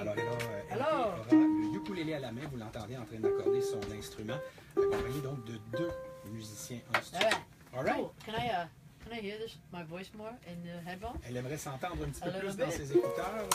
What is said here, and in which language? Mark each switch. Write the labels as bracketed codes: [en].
[fr] Alors, elle a le ukulélé à la main. Vous l'entendez en train d'accorder son instrument. Accompagné donc de deux musiciens en studio. [en] All right. Oh, can I hear this, my voice more in the headphones? [fr] Elle aimerait s'entendre un petit peu plus dans ses écouteurs.